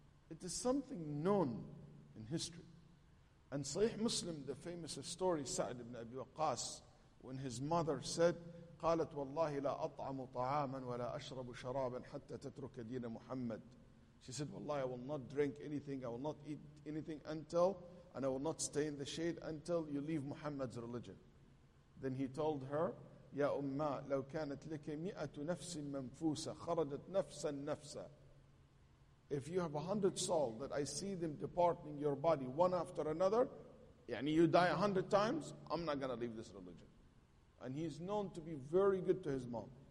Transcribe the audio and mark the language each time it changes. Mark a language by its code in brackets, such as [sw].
[en] It is something known in history. And Sahih Muslim, the famous story, Sa'd ibn Abi Waqqas, when his mother said, [ar] قالت والله لا أطعم طعاما ولا أشرب شرابا حتى تترك دين محمد. [en] She said, والله I will not drink anything, I will not eat anything until, and I will not stay in the shade until you leave Muhammad's religion. [ar] Then he told her, يا أما لو كانت لك مئة نفس منفوسة خرجت نفسا نفسا. [en] If you have 100 souls that I see them departing your body one after another, يعني you die 100 times, I'm not going to leave this religion. And he's known to be very good to his mom.